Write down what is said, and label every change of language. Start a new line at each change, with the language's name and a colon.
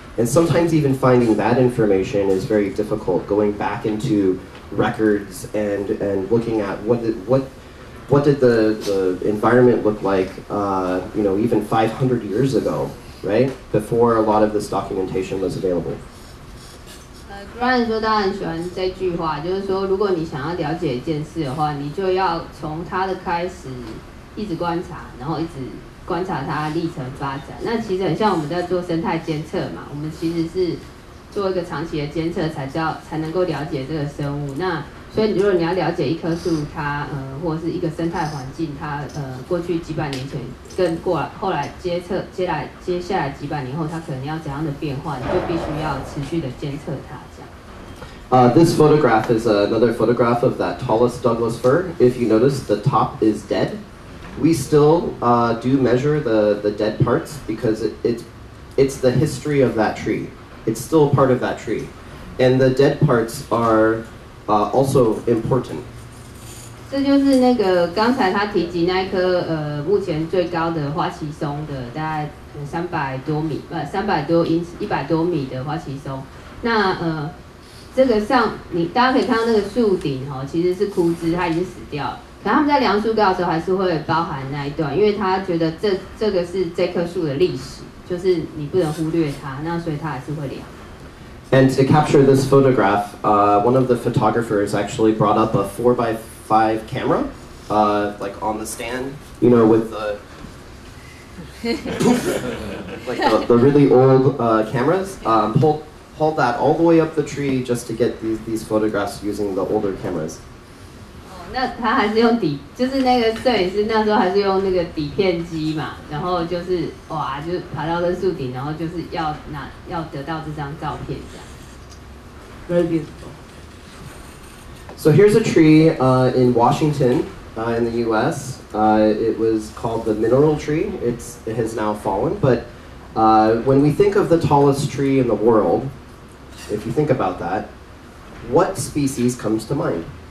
English: And sometimes even finding that information is very difficult. Going back into records and looking at what did the environment look like, even 500 years ago, right? Before a lot of this documentation was available.
Chinese: Brian 说当然喜欢这句话，就是说如果你想要了解一件事的话，你就要从它的开始一直观察，然后一直观察它历程发展。那其实很像我们在做生态监测嘛，我们其实是做一个长期的监测才能够了解这个生物。那所以如果你要了解一棵树它或者是一个生态环境它过去几百年前跟过来后来接下来几百年后它可能要怎样的变化，你就必须要持续的监测它。
English: This photograph is another photograph of that tallest Douglas fir. If you notice, the top is dead. We still do measure the dead parts because it's the history of that tree. It's still part of that tree. And the dead parts are also important.
Chinese: 这就是那个刚才他提及那一棵目前最高的花旗松的大概一百多米的花旗松。那这个上你大家可以看到那个树顶其实是枯枝，它已经死掉了，可他们在量树高的时候还是会包含那一段，因为他觉得这个是这棵树的历史，就是你不能忽略它，那所以他还是会量。
English: And to capture this photograph, one of the photographers actually brought up a 4x5 camera, like on the stand, you know, with the the really old cameras, hold that all the way up the tree just to get these photographs using the older cameras.
Chinese: 那他还是用底，就是那个摄影师那时候还是用那个底片机嘛，然后就是哇，就爬到这树顶，然后就是要得到这张照片这样。
English: Very beautiful. So here's a tree in Washington, in the U.S. It was called the mineral tree. It has now fallen, but when we think of the tallest tree in the world. If you think about that, what species comes to mind?